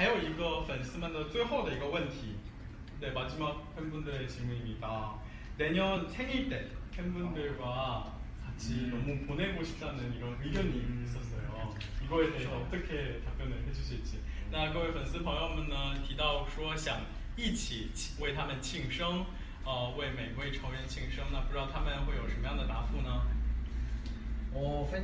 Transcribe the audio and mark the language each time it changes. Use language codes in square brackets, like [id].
[zh] 那说到这个，不知道有没有馋到各位电视，各位手机屏幕前的粉丝朋友们。那刚才，还有一个粉丝们的最后的一个问题， [ko] 네 마지막 팬분들의질문입니다. 내년 생일 때 팬분들과 같이 너무 보내고 싶다는 이런 의견이 있었어요. 이거에 대해서 어떻게 답변을 해주실지. [zh] 那各位粉丝朋友们呢，提到说想一起为他们庆生。为每位成员庆生，那不知道他们会有什么样的答复呢？팬